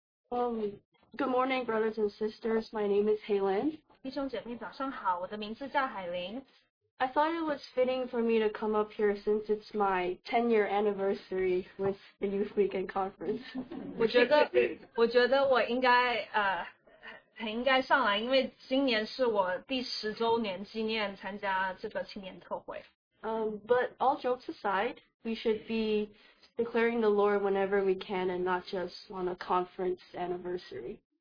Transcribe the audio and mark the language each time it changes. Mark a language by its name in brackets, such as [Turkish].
[English] Good morning, brothers and sisters. My name is Haylin. [Chinese] 弟兄姐妹早上好，我的名字叫海琳。 [English] I thought it was fitting for me to come up here since it's my 10-year anniversary with the Youth Weekend Conference. [Chinese] 我觉得我应该很应该上来，因为今年是我第十周年纪念参加这个青年特会。 [English] But all jokes aside, we should be declaring the Lord whenever we can and not just on a conference anniversary.